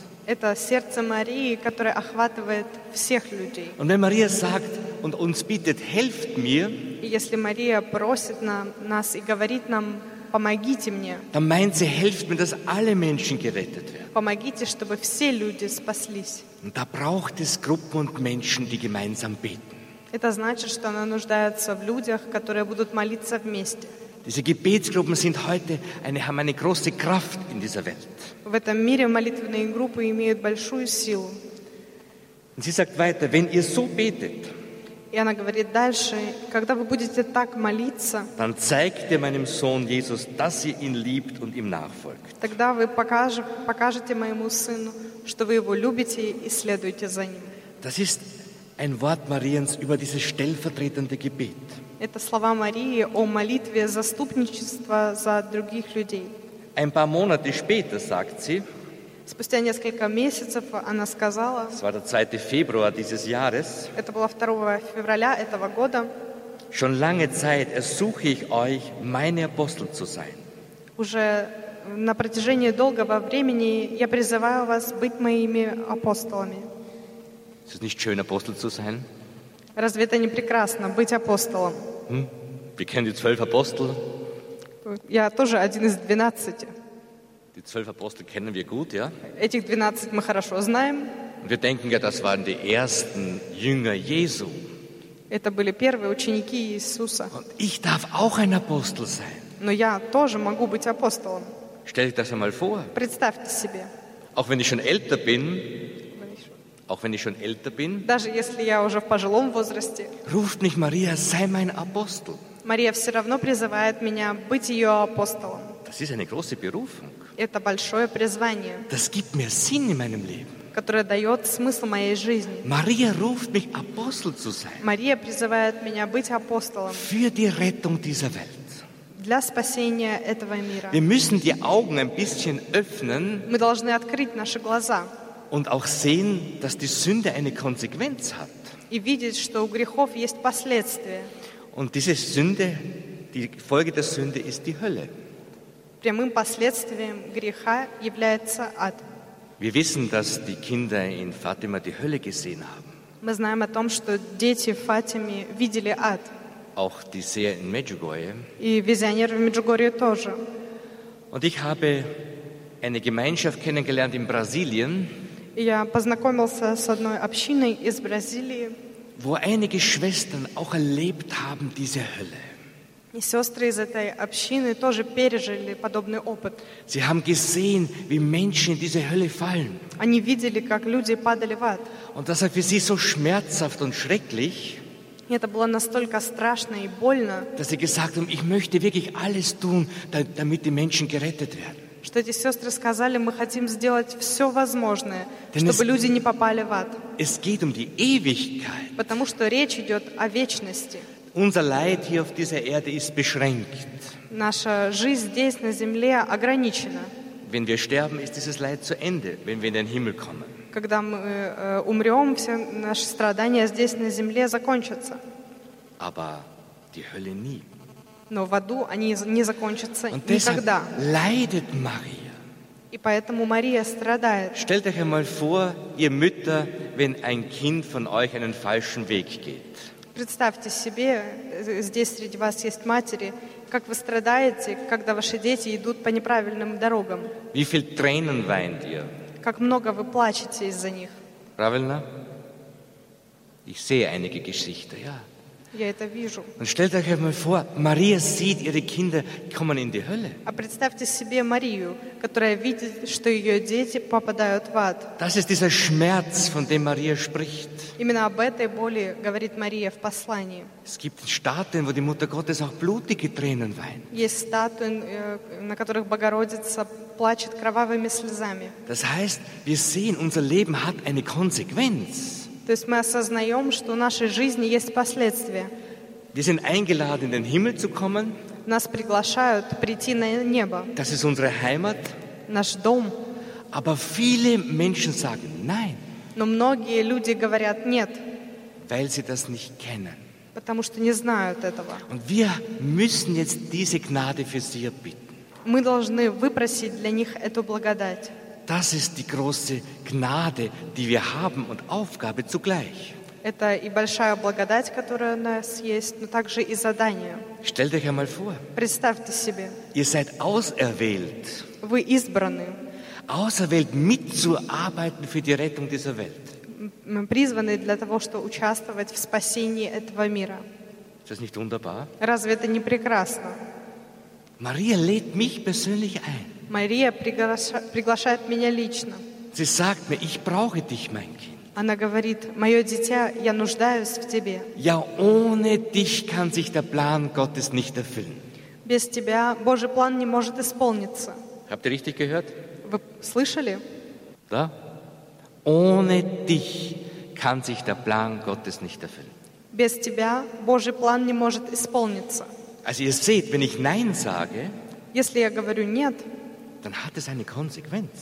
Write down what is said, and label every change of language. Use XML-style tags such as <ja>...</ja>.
<ru>Это сердце Марии, которое охватывает всех людей.</ru> <de>Und wenn Maria sagt und uns bittet, helft mir,</de> <ru>если Мария просит нас и говорит нам: помогите мне.</ru> <de>Dann meint sie, helft mir, dass alle Menschen gerettet werden.</de> <ru>Помогите, чтобы все люди спаслись.</ru> <de>Und da braucht es Gruppen und Menschen, die gemeinsam beten.</de> <ru>Это значит, что она нуждается в людях, которые будут молиться вместе.</ru> <de>Diese Gebetsgruppen sind heute haben eine große Kraft in dieser Welt.</de> <ru>В этом мире молитвенные группы имеют большую силу.</ru> <de>Und sie sagt weiter, wenn ihr so betet,</de> <ru>и она говорит дальше: когда вы будете так молиться,</ru> <de>dann zeigt ihr meinem Sohn Jesus, dass ihr ihn liebt und ihm nachfolgt.</de> <ru>Тогда вы покажете моему сыну, что вы его любите и следуете за ним.</ru> <de>Das ist ein Wort Mariens über dieses stellvertretende Gebet.</de> <ru>Это слова Марии о молитве заступничества за других людей.</ru> <de>Ein paar Monate später sagt sie,</de> <ru>спустя несколько месяцев она сказала,</ru> <de>es war der 2. Februar dieses Jahres,</de> <ru>это было 2 февраля этого года,</ru> <de>schon lange Zeit ersuche ich euch, meine Apostel zu sein.</de> <ru>Уже на протяжении долгого времени я призываю вас быть моими апостолами.</ru> <de>Ist es nicht schön, Apostel zu sein?</de> <ru>Разве это не прекрасно, быть апостолом?</ru> <de>Wir kennen die 12 Apostel.</de> <ru>Я тоже один из 12.</ru> <de>Die 12 Apostel kennen wir gut, ja?</de> <ru>Этих 12 мы хорошо знаем.</ru> <de>Und wir denken ja, das waren die ersten Jünger Jesu.</de> <ru>Это были первые ученики Иисуса.</ru> <de>Und ich darf auch ein Apostel sein.</de> <ru>Но я тоже могу быть апостолом.</ru> <de>Stell dir das einmal vor.</de> <ru>Представьте себе.</ru> <de>Auch wenn ich schon älter bin, auch wenn ich schon älter bin,</de> <ru>даже если я уже в пожилом возрасте,</ru> <de>ruft mich Maria, sei mein Apostel.</de> <ru>Мария все равно призывает меня быть ее апостолом.</ru> <de>Das ist eine große Berufung.</de> <ru>Это большое призвание.</ru> <de>Das gibt mir Sinn in meinem Leben.</de> <ru>Которое дает смысл моей жизни.</ru> <de>Maria ruft mich, Apostel zu sein.</de> <ru>Мария призывает меня быть апостолом.</ru> <de>Für die Rettung dieser Welt.</de> <ru>Для спасения этого мира.</ru> <de>Wir müssen die Augen ein bisschen öffnen.</de> <ru>Мы должны открыть наши глаза.</ru> <de>Und auch sehen, dass die Sünde eine Konsequenz hat.</de> <ru>И видеть, что у грехов есть последствия.</ru> <de>Und diese Sünde, die Folge der Sünde ist die Hölle.</de> <ru>Прямым последствием греха является ад.</ru> <de>Wir wissen, dass die Kinder in Fatima die Hölle gesehen haben.</de> <ru>Мы знаем о том, что дети в Фатиме видели ад.</ru> <de>Auch die Seher in Medjugorje.</de> <ru>И визионеры в Меджугорье тоже.</ru> <de>Und ich habe eine Gemeinschaft kennengelernt in Brasilien.</de> <ru>Я познакомился с одной общиной из Бразилии.</ru> <de>Wo einige Schwestern auch erlebt haben diese Hölle.</de> <ru>И сестры из этой общины тоже пережили подобный опыт.</ru> <de>Sie haben gesehen, wie Menschen in diese Hölle fallen.</de> <ru>Они видели, как люди падали в ад.</ru> <de>Und das war für sie so schmerzhaft und schrecklich.</de> <ru>Это было настолько страшно и больно,</ru> <de>dass sie gesagt haben, ich möchte wirklich alles tun, damit die Menschen gerettet werden.</de> <ru>Что эти сестры сказали, мы хотим сделать все возможное,</ru> <de>denn</de> <ru>чтобы люди не попали в ад.</ru> <de>Es geht um die Ewigkeit.</de> <ru>Потому что речь идет о вечности.</ru> <de>Unser Leid hier auf dieser Erde ist beschränkt.</de> <ru>Наша жизнь здесь, на земле, ограничена.</ru> <de>Wenn wir sterben, ist dieses Leid zu Ende, wenn wir in den Himmel kommen.</de> <ru>Когда мы умрем, все наши страдания здесь на земле закончатся.</ru> <de>Aber die Hölle nie.</de> <ru>Но в аду они не закончатся</ru> <de>Und</de> <ru>никогда.</ru> <de>Leidet Maria.</de> <ru>И поэтому Мария страдает.</ru> <de>Stellt euch einmal vor, ihr Mütter, wenn ein Kind von euch einen falschen Weg geht.</de> <ru>Представьте себе, здесь среди вас есть матери, как вы страдаете, когда ваши дети идут по неправильным дорогам.</ru> <de>Wie viel Tränen weint ihr?</de> <ru>Как много вы плачете из-за них. Правильно?</ru> <de>Ich sehe einige Geschichten, ja.</de> <ru>Я это вижу.</ru> <de>Und stellt euch einmal vor, Maria sieht ihre Kinder kommen in die Hölle.</de> <ru>А представьте себе Марию, которая видит, что ее дети попадают в ад.</ru> <de>Das ist dieser Schmerz, von dem Maria spricht.</de> <ru>Именно об этой боли говорит Мария в послании.</ru> <de>Es gibt Statuen, wo die Mutter Gottes auch blutige Tränen weint.</de> <ru>Есть статуи, на которых Богородица плачет кровавыми слезами.</ru> <de>Das heißt, wir sehen, unser Leben hat eine Konsequenz.</de> <ru>То есть мы осознаем, что в нашей жизни есть последствия.</ru> <de>Wir sind eingeladen, in den Himmel zu kommen.</de> <ru>Нас приглашают прийти на небо.</ru> <de>Das ist unsere Heimat.</de> <ru>Наш дом.</ru> <de>Aber viele Menschen sagen nein.</de> <ru>Но многие люди говорят нет.</ru> <de>Weil sie das nicht kennen.</de> <ru>Потому что не знают этого.</ru> <de>Und wir müssen jetzt diese Gnade für sie bitten.</de> <ru>Мы должны выпросить для них эту благодать.</ru> <de>Das ist die große Gnade, die wir haben und Aufgabe zugleich.</de> <ru>Это и большая благодать, которая у нас есть, но также и задание.</ru> <de>Stellt euch einmal vor.</de> <ru>Представьте себе.</ru> <de>Ihr seid auserwählt.</de> <ru>Вы избраны.</ru> <de>Auserwählt, mitzuarbeiten für die Rettung dieser Welt.</de> <ru>Мы призваны для того, чтобы участвовать в спасении этого мира.</ru> <de>Ist das nicht wunderbar?</de> <ru>Разве это не прекрасно?</ru> <de>Maria lädt mich persönlich ein.</de> <ru>Мария приглашает меня лично.</ru> <de>Sie sagt mir, ich brauche dich, mein Kind.</de> <ru>Она говорит, мое дитя, я нуждаюсь в тебе.</ru> <de>Ja, ohne dich kann sich der Plan Gottes nicht erfüllen.</de> <ru>Без тебя Божий план не может исполниться.</ru> <de>Habt ihr richtig gehört?</de> <ru>Вы слышали? Да.</ru> <de>Ohne dich kann sich der Plan Gottes nicht erfüllen.</de> <ru>Без тебя Божий план не может исполниться.</ru> <de>Also ihr seht, wenn ich Nein sage,</de> <ru>если я говорю нет,</ru> <de>dann hat es eine Konsequenz.</de>